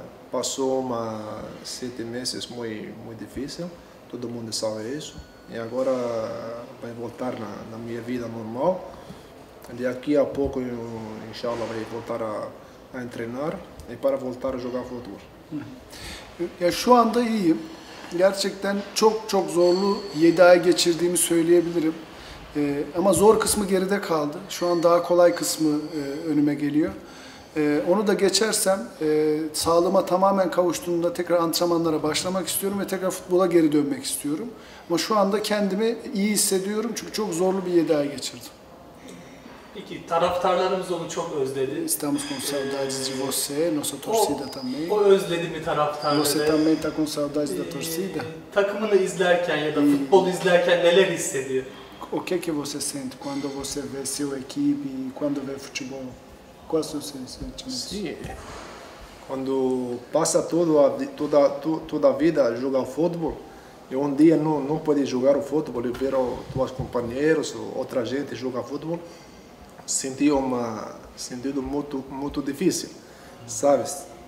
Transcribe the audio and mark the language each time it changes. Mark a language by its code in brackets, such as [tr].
[pt] Passou uma 7 meses muito, muito difícil, todo mundo sabe isso. E agora vai voltar na minha vida normal. De aqui a pouco, inshallah, vai voltar a treinar e para voltar a jogar futebol. [tr] Şu anda iyiyim. Gerçekten çok çok zorlu 7 ay geçirdiğimi söyleyebilirim. Ama zor kısmı geride kaldı. Şu an daha kolay kısmı önüme geliyor. Onu da geçersem, sağlığıma tamamen kavuştuğumda tekrar antrenmanlara başlamak istiyorum ve tekrar futbola geri dönmek istiyorum. Ama şu anda kendimi iyi hissediyorum çünkü çok zorlu bir 7 ay geçirdim. Peki, taraftarlarımız onu çok özledi. [pt] Estamos con saudades de você, nossa torcida também. [tr] O özledi mi taraftarları? [pt] Você também está com saudades da torcida? [tr] Takımını izlerken ya da futbol izlerken neler hissediyor? [pt] O que você sente quando você vê seu equipe, quando vê futebol? Quais são os seus sentimentos? Sim. Quando passa toda a vida a jogar futebol, e um dia não pode jogar o futebol e ver os teus companheiros, outra gente jogar futebol, senti um sentido muito difícil, sabes?